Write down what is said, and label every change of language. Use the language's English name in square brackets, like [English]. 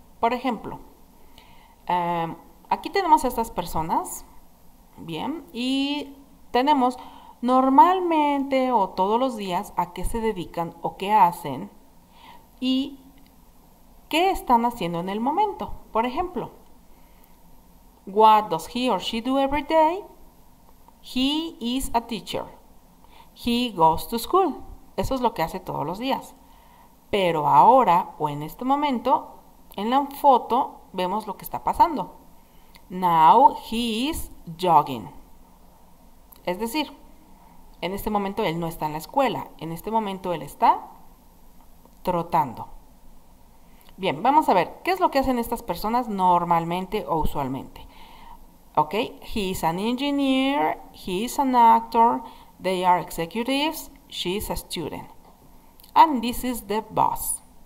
[Spanish] Por ejemplo, aquí tenemos a estas personas. Bien, y tenemos normalmente o todos los días a qué se dedican o qué hacen y qué están haciendo en el momento. Por ejemplo, [English] what does he or she do every day? He is a teacher. He goes to school. [Spanish] Eso es lo que hace todos los días. Pero ahora, o en este momento, en la foto vemos lo que está pasando. [English] Now he is jogging. [Spanish] Es decir, en este momento él no está en la escuela. En este momento él está trotando. Bien, vamos a ver, ¿qué es lo que hacen estas personas normalmente o usualmente? [English] Ok, he is an engineer, he is an actor, they are executives, she is a student, and this is the boss.